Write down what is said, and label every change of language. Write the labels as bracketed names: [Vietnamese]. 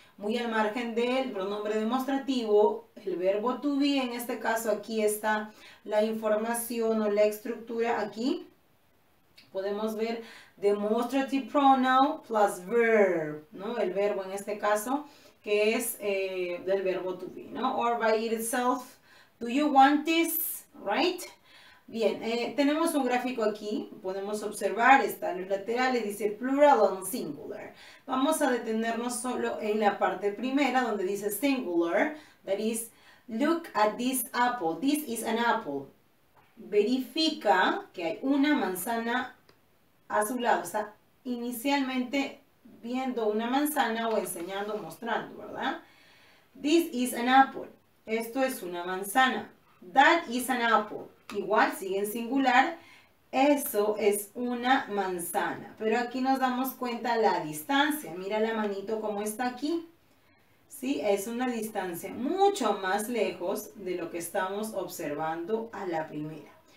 [Spanish] Muy al margen del pronombre demostrativo, el verbo to be, en este caso aquí está la información o la estructura aquí. Podemos ver [English] demonstrative pronoun plus verb, [Spanish] ¿no? El verbo en este caso, que es del verbo to be, ¿no? [English] Or by itself, do you want this, right? [Spanish] Bien, tenemos un gráfico aquí, podemos observar, está en los laterales, dice [English] plural and singular. [Spanish] Vamos a detenernos solo en la parte primera, donde dice singular, [English] that is, look at this apple, this is an apple. [Spanish] Verifica que hay una manzana a su lado, o sea, inicialmente viendo una manzana o enseñando, mostrando, ¿verdad? [English] This is an apple, [Spanish] esto es una manzana, [English] that is an apple. [Spanish] Igual, sigue en singular, eso es una manzana. Pero aquí nos damos cuenta la distancia. Mira la manito cómo está aquí. Sí, es una distancia mucho más lejos de lo que estamos observando a la primera.